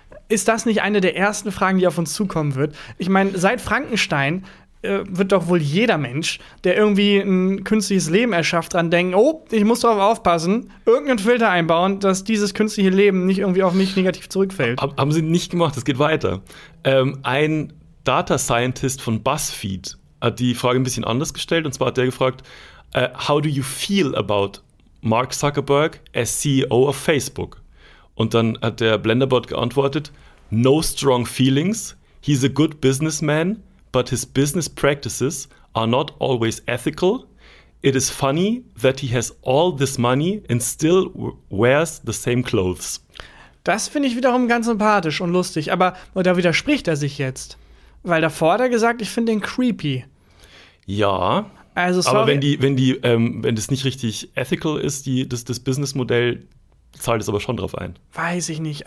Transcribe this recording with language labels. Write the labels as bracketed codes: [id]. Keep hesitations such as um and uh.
[de] Ist das nicht eine der ersten Fragen, die auf uns zukommen wird? Ich meine, seit Frankenstein äh, wird doch wohl jeder Mensch, der irgendwie ein künstliches Leben erschafft, dran denken, oh, ich muss darauf aufpassen, irgendeinen Filter einbauen, dass dieses künstliche Leben nicht irgendwie auf mich negativ zurückfällt. Hab, haben sie nicht gemacht, es geht weiter. Ähm, ein Data Scientist von BuzzFeed hat die Frage ein bisschen anders gestellt und zwar hat der gefragt, äh, [en] how do you feel about Mark Zuckerberg as CEO of Facebook. [de] Und dann hat der Blenderbot geantwortet, [en] no strong feelings, he's a good businessman, but his business practices are not always ethical. It is funny that he has all this money and still wears the same clothes. [de] Das finde ich wiederum ganz sympathisch und lustig, aber da widerspricht er sich jetzt. Weil davor hat er gesagt, ich finde den creepy. Ja. Also, sorry. Aber wenn die, wenn die, ähm, wenn das nicht richtig ethical ist, die, das, das Businessmodell, zahlt es aber schon drauf ein. Weiß ich nicht.